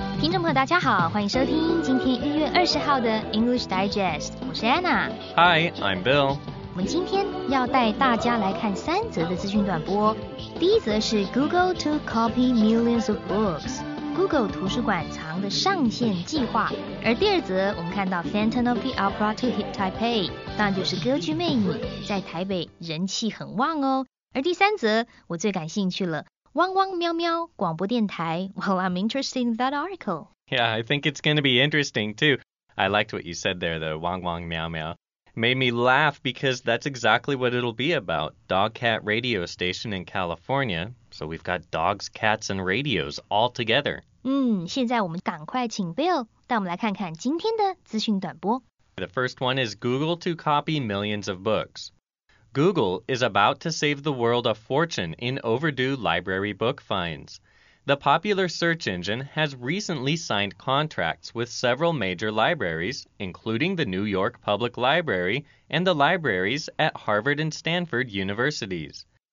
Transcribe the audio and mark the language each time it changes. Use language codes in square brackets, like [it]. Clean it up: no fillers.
[zh] 听众朋友大家好，欢迎收听今天1月20号的 English Digest， 我是 Anna。 [en] Hi， I'm Bill。 [zh] 我们今天要带大家来看三则的资讯短播。第一则是 [en] Google to copy millions of books， [zh] Google 图书馆藏的上线计划。而第二则我们看到 [en] Phantom of the Opera to hit Taipei， [zh] 当然就是歌剧魅影在台北人气很旺哦。而第三则我最感兴趣了，汪汪喵喵广播电台。 [en] Well, I'm interested in that article. Yeah, I think it's going to be interesting too. I liked what you said there, the wang wang meow meow. Made me laugh because that's exactly what it'll be about. Dog cat radio station in California. So we've got dogs, cats, and radios all together. [zh] 现在我们赶快请 Bill 带我们来看看今天的资讯短播。 [en] The first one is Google to copy millions of books. Google is about to save the world a fortune in overdue library book fines. The popular search engine has recently signed contracts with several major libraries, including the New York Public Library and the libraries at Harvard and Stanford universities.